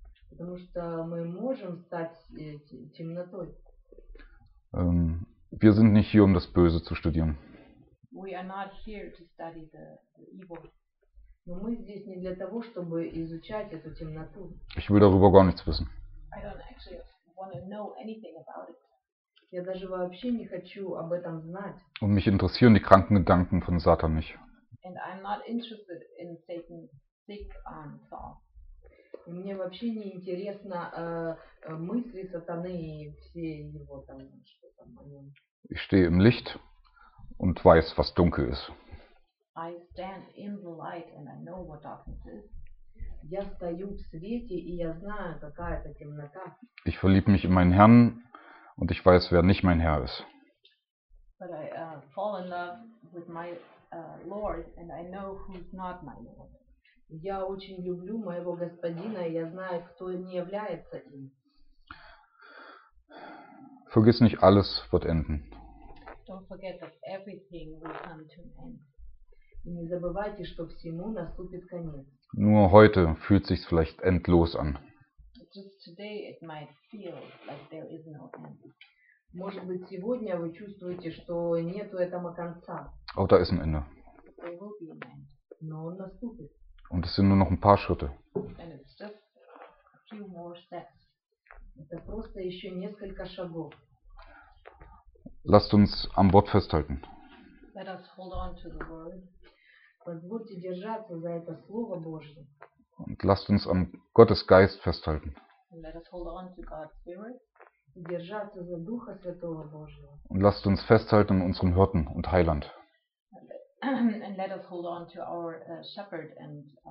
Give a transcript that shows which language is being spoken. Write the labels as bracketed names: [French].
[Russian] Потому что мы можем стать темнотой. [German] Wir sind nicht hier, um das Böse zu studieren. [English] We are not here to study the evil. [Russian] Но мы здесь не для того, чтобы изучать эту темноту. [German] Ich will darüber gar nichts wissen. [English] I don't actually want to know anything about it. [Russian] Я даже вообще не хочу об этом знать. [German] Und mich interessieren die kranken Gedanken von Satan nicht. [English] And I'm not interested in Satan's sick thoughts. [Russian] И мне вообще не интересно мысли сатаны и все его там что там о нем. [German] Ich stehe im Licht und weiß, was dunkel ist. [English] I stand in the light and I know what darkness is. [Russian] Я стою в свете и я знаю, какая это темнота. [German] Ich verlieb mich in meinen Herrn und ich weiß, wer nicht mein Herr ist. [English] But I fall in love with my Lord and I know who's not my Lord. [Russian] Я очень люблю моего господина, и я знаю, кто не является им. [German] Vergiss nicht, alles wird enden. [English] Don't forget that everything will come to an end. [Russian] И не забывайте, что всему наступит конец. [German] Nur heute fühlt sich's vielleicht endlos an. [English] Just today it might feel like there is no end. [Russian] Может быть, сегодня вы чувствуете, что нету этому конца. [German] Oh, da ist ein Ende. [English] There will be an end. [Russian] Но он наступит. [German] Und es sind nur noch ein paar Schritte. [English] And it's just a few more steps. [Russian] Это просто еще несколько шагов. [German] Lasst uns am Wort festhalten. [English] Let us hold on to the word. [Russian] Позвольте держаться за это Слово Божье. [German] Und lasst uns am Gottes Geist festhalten. [English] And let us hold on to God's Spirit. [Russian] И держаться за Духа Святого Божьего. [German] Und lasst uns festhalten an unserem Hirten und Heiland. [English] And let us hold on to our shepherd and